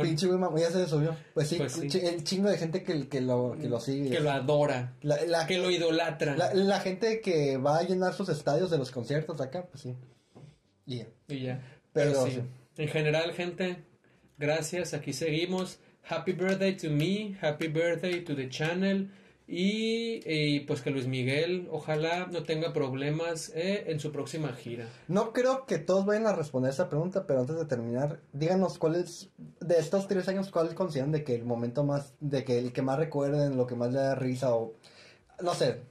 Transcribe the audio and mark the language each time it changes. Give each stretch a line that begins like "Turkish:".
Spanish: Pinche güey mamón, ya se subió. Pues sí, pues sí. El chingo de gente que lo sigue. Que lo adora. Que lo idolatra. La gente que va a llenar sus estadios de los conciertos acá, pues sí. Y ya. Pero sí. En general, gente, gracias, aquí seguimos.
English: Happy birthday to me, happy birthday to the channel.
Spanish: Y pues que Luis Miguel, ojalá no tenga problemas en su próxima gira. No creo que todos vayan a responder esa pregunta, pero antes de terminar, díganos cuál es, de estos 3 años, cuál consideran de que el momento más, de que el que más recuerden, lo que más le da risa o, no sé.